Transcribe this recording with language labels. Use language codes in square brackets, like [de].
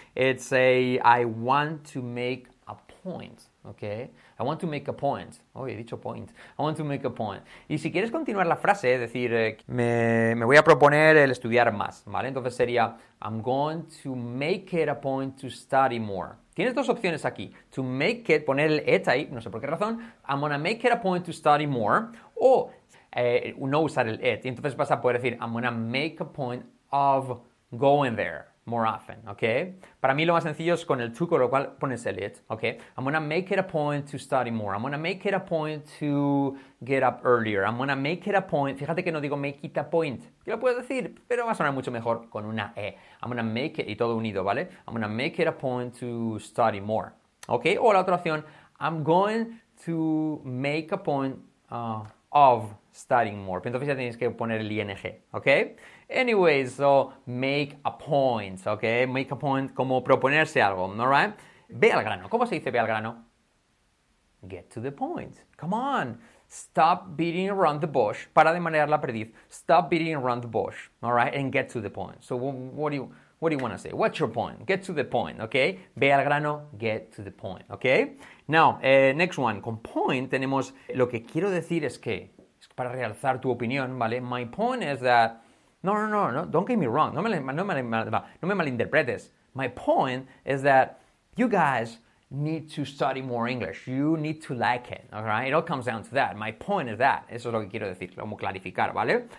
[en] It's I want to make a point, okay? I want to make a point. [es] Oh, he dicho [en] point. I want to make a point. [es] Y si quieres continuar la frase, es decir, me voy a proponer el estudiar más, ¿vale? Entonces sería, [en] I'm going to make it a point to study more. [es] Tienes dos opciones aquí. [en] To make it, [es] poner el et ahí, no sé por qué razón. [en] I'm going to make it a point to study more. [es] O no usar el et. Y entonces vas a poder decir, [en] I'm going to make a point of going there more often, ¿ok? [es] Para mí lo más sencillo es con el to, con lo cual pones el it, ¿ok? [en] I'm going to make it a point to study more. I'm going to make it a point to get up earlier. I'm going to make it a point. [es] Fíjate que no digo [en] make it a point. [es] ¿Qué lo puedes decir? Pero va a sonar mucho mejor con una E. [en] I'm going to make it, [es] y todo unido, ¿vale? [en] I'm going to make it a point to study more, ¿ok? [es] O la otra opción, [en] I'm going to make a point of studying more. [es] Pero entonces ya tienes que poner el ING, ¿ok? [en] Anyways, so make a point, okay? Make a point, [es] como proponerse algo, [en] all right? [es] Ve al grano. ¿Cómo se dice ve al grano? [en] Get to the point. Come on. Stop beating around the bush. [es] Para de manejar la perdiz. [en] Stop beating around the bush, all right? And get to the point. So What do you want to say? What's your point? Get to the point, okay? [es] Ve al grano, [en] get to the point, okay? Now, next one. [es] Con point tenemos lo que quiero decir es que, es para realzar tu opinión, ¿vale? [en] My point is that, no, don't get me wrong. [es] No me malinterpretes. [en] My point is that you guys need to study more English. You need to like it, all right? It all comes down to that. My point is that. [es] Eso es lo que quiero decir, como clarificar, ¿vale?